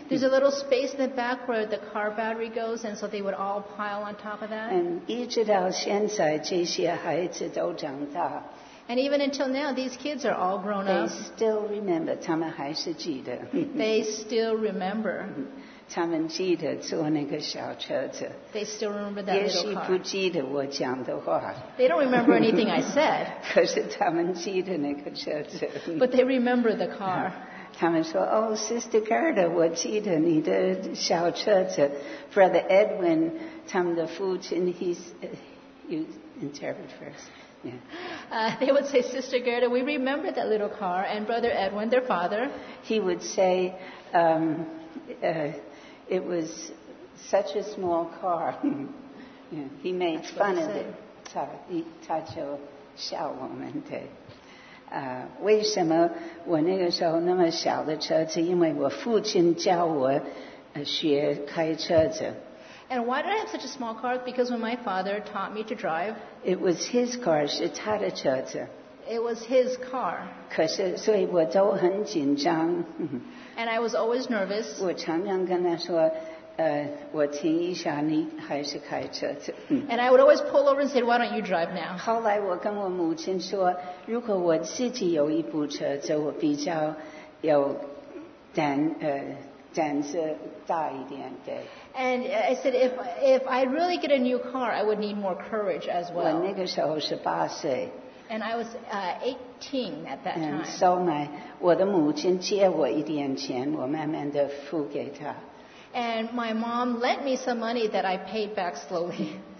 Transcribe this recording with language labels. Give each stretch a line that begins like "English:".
English: There's a little space in the back where the car battery goes, and so they would all pile on top of that.
Chinese: And 一直到现在，这些孩子都长大。
English: And even until now, these kids are all grown up. They still remember.
Chinese: 他们还是记得。
English: They still remember.
Chinese: 他们记得坐那个小车子。
English: They still remember that little car.
Chinese: 也许不记得我讲的话。
English: They don't remember anything I said.
Chinese: 可是他们记得那个车子。
English: But they remember the car.
Chinese: 他们说, Oh, Sister Gerda, 我记得你的小车子。
English: Brother Edwin,
Chinese: 他们的父亲,
English: you interpret first. Yeah. They would say, Sister Gerda, we remember that little car, and Brother Edwin, their father. He would say, it was such a small car. He made fun of it.
Chinese: 他就笑我们的。为什么我那个时候那么小的车子? 因为我父亲教我学开车子。
English: And why did I have such a small car? Because when my father taught me to drive, it was his car,
Chinese: 是他的车子。
English: It was his car.
Chinese: 可是，所以我都很紧张。
English: And I was always nervous.
Chinese: 我常常跟他说， 我停一下，你还是开车子。
English: And I would always pull over and say, why don't you drive now?
Chinese: 后来我跟我母亲说， 如果我自己有一部车子， 我比较有胆子大一点的。
English: And I said, if I really get a new car, I would need more courage as well.
Chinese: 我那个时候18岁。
English: And I was 18 at that time. And so my
Chinese: 母亲借我一点钱，我慢慢的付给她。
English: And my mom lent me some money that I paid back slowly.